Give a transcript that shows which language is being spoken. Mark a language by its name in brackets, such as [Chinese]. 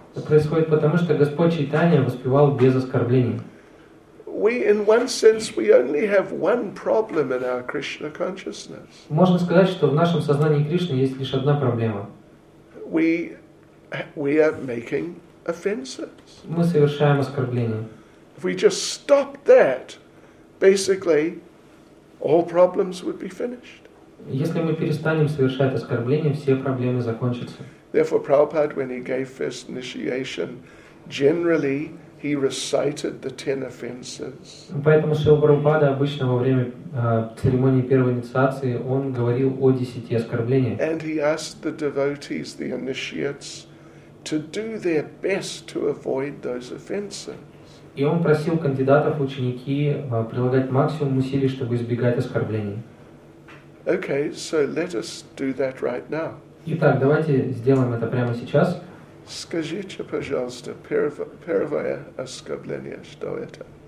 [Russian] Это происходит потому, что Господь Чайтанья воспевал без оскорблений. [English] We, in one sense, we only have one problem in our Krishna consciousness. [Russian] Можно сказать, что в нашем сознании Кришны есть лишь одна проблема. [English] We are making offenses. [Russian] Мы совершаем оскорбления. [English] If we just stopped that, basically, all problems would be finished. [Russian] Если мы перестанем совершать оскорбления, все проблемы закончатся. [English] Therefore, Prabhupada, when he gave first initiation, generally he recited the 10 offenses. [Russian] Поэтому Шрила Прабхупада обычно во время церемонии первой инициации он говорил о 10 оскорблениях. [English] And he asked the devotees, the initiates, to do their best to avoid those offenses. [Russian] И он просил кандидатов, ученики прилагать максимум усилий, чтобы избегать оскорблений. [English] Okay, so let us do that right now. [Russian] Итак, давайте сделаем это прямо сейчас. Скажите, пожалуйста, первое оскорбление, что это?